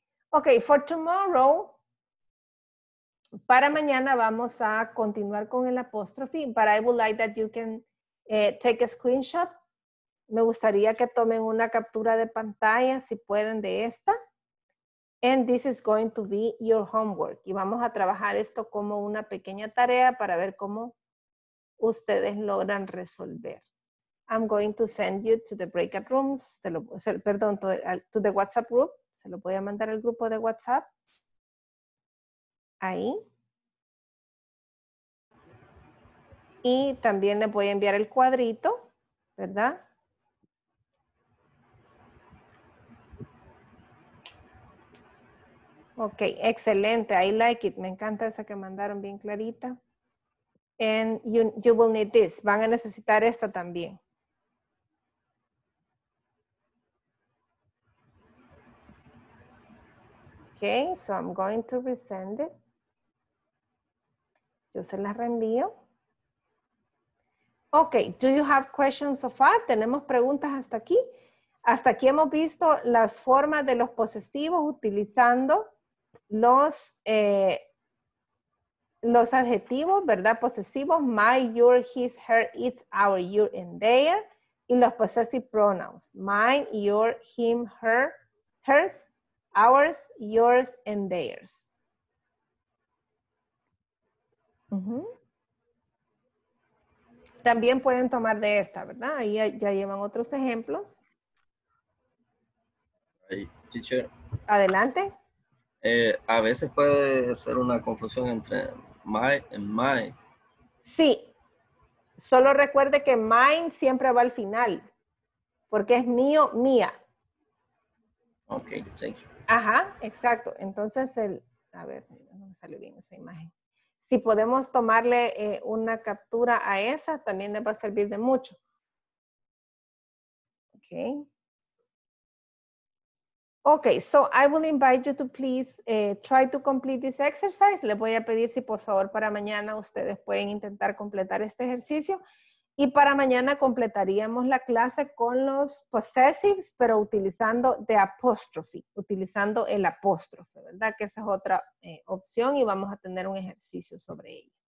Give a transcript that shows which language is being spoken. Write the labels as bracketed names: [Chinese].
[English] Ok, for tomorrow, [Spanish] para mañana vamos a continuar con el apóstrofe, [English] but I would like that you can take a screenshot. [Spanish] Me gustaría que tomen una captura de pantalla, si pueden, de esta. [English] And this is going to be your homework. [Spanish] Y vamos a trabajar esto como una pequeña tarea para ver cómo ustedes logran resolver. [English] I'm going to send you to the breakout rooms, to the WhatsApp group. [Spanish] Se lo voy a mandar al grupo de WhatsApp. Ahí. Y también les voy a enviar el cuadrito, ¿verdad? Ok, excelente. [English] I like it. [Spanish] Me encanta esa que mandaron bien clarita. [English] And you will need this. [Spanish] Van a necesitar esta también. [English] Okay, so I'm going to resend it. [Spanish] Yo se las reenvío. [English] Okay, do you have questions so far? [Spanish] ¿Tenemos preguntas hasta aquí? Hasta aquí hemos visto las formas de los posesivos utilizando los adjetivos, ¿verdad? Posesivos, my, your, his, her, its, our, your, and their. Y los possessive pronouns, mine, your, him, her, hers, ours, yours, and theirs. Uh-huh. También pueden tomar de esta, ¿verdad? Ahí ya llevan otros ejemplos. [English] Hey, teacher. [Spanish] Adelante. A veces puede ser una confusión entre my and my. Sí. Solo recuerde que mine siempre va al final. Porque es mío, mía. Ok, thank you. Ajá, exacto. Entonces, a ver, no me salió bien esa imagen. Si podemos tomarle una captura a esa, también le va a servir de mucho. Ok. [English] Ok, so I will invite you to please try to complete this exercise. [Spanish] Les voy a pedir si por favor para mañana ustedes pueden intentar completar este ejercicio. Y para mañana completaríamos la clase con los possessives, pero utilizando the apostrophe, utilizando el apóstrofe, ¿verdad? Que esa es otra opción y vamos a tener un ejercicio sobre ello.